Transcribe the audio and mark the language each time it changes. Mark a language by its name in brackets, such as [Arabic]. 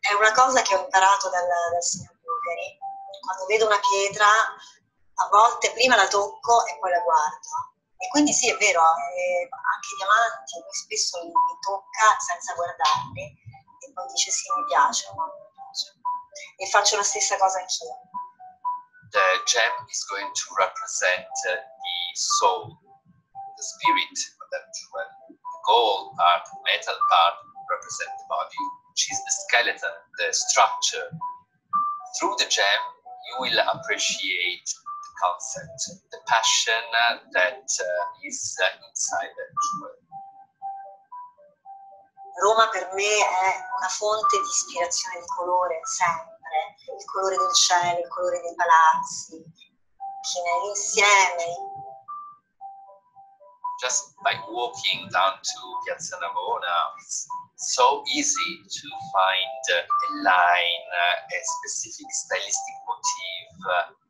[Italian] È una cosa che ho imparato dal signor Bulgari. Quando vedo una pietra, a volte prima la tocco e poi la guardo. E quindi sì, è vero, anche i diamanti, lui spesso li tocca senza guardarli e poi dice sì, mi piace, no? E faccio la stessa cosa anch'io. [English] The gem is going to represent the soul, the spirit of that jewel. The gold part, metal part, represent the body, which is the skeleton, the structure. Through the gem, you will appreciate concept, the passion that is inside the jewel. [Italian] Roma per me è una fonte di ispirazione di colore, sempre. Il colore del cielo, il colore dei palazzi, chi ne è insieme. [English] Just by walking down to Piazza Navona, it's so easy to find a line, a specific stylistic motif.